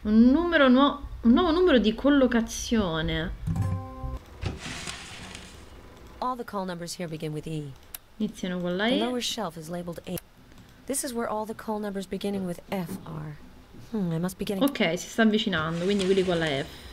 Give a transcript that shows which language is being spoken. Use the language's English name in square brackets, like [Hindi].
[Italian] un nuovo numero di collocazione. [English] All the call numbers here begin with E. [Italian] Iniziano con la [English] The [Italian] E. [English] lower shelf is labeled A. This is where all the call numbers beginning with F are. I must be getting. [Italian] Ok, si sta avvicinando, quindi quelli con la F.